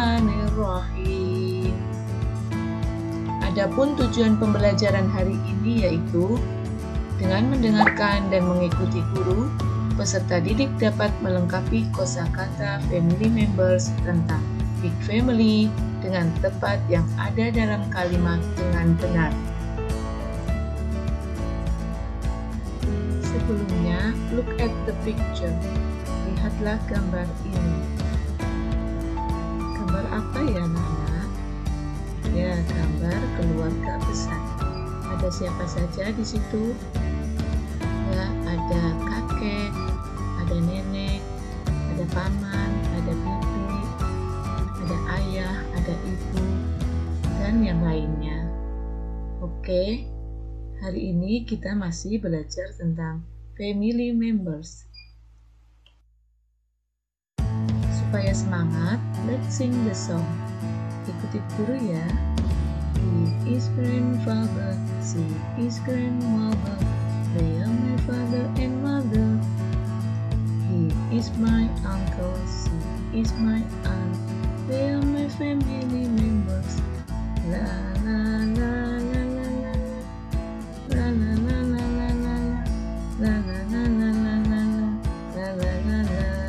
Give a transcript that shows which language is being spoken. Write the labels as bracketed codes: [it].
[id] Bismillahirrahmanirrahim. Adapun tujuan pembelajaran hari ini yaitu dengan mendengarkan dan mengikuti guru, peserta didik dapat melengkapi kosakata family members tentang big family dengan tepat yang ada dalam kalimat dengan benar. [en] Sebelumnya, look at the picture. [id] Lihatlah gambar ini. Gambar apa ya, anak-anak? Ya, gambar keluarga besar. Ada siapa saja di situ? Ya, ada kakek, ada nenek, ada paman, ada bibi, ada ayah, ada ibu, dan yang lainnya. Oke, hari ini kita masih belajar tentang family members. Supaya semangat, let's sing the song. Ikuti guru ya. [en] He is grandfather, she is grandmother, they are my father and mother. He is my uncle, she is my aunt, they are my family members. La la la la la la la la la la la la la la la la la la la la la la la la.